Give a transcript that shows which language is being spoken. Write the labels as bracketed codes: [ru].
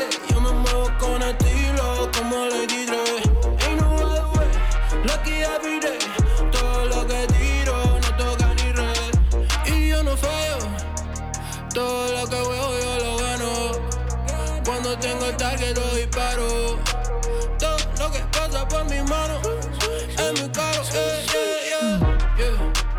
[es] Yo me muevo con estilo como Lady Dre. [en] Ain't no other way, lucky every day. [es] Todo lo que tiro no toca ni red. Y yo no fallo, todo lo que veo yo lo gano. Cuando tengo el target lo disparo. Todo lo que pasa por mis manos es muy caro, yeah, yeah, yeah.